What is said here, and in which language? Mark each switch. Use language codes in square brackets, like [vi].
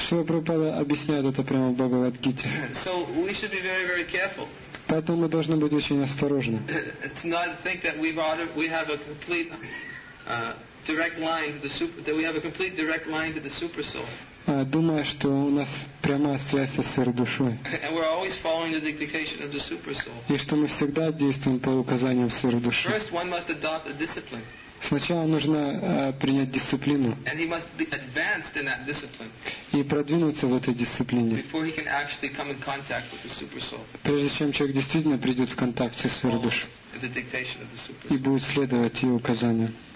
[ru] Шрила Прабхупада объясняет это прямо в Бхагавад Гите. [en] So we should be very, very careful. [ru] Поэтому мы должны быть очень осторожны. [en] It's not think that we have a complete direct line to the super, that we have a complete direct line to the super soul. [ru] Думая, что у нас прямая связь со сверхдушой. [en] And we're always following the dictation of the super soul. [ru] И что мы всегда действуем по указаниям сверхдуши. [en] First, one must adopt a discipline. [ru] Сначала нужно принять дисциплину. [en] And he must be advanced in that discipline. [ru] И продвинуться в этой дисциплине. [en] Before he can actually come in contact with the super soul. [ru] Прежде чем человек действительно придет в контакт со сверхдушой. [en] The dictation of the super soul. [ru] И будет следовать ее указаниям.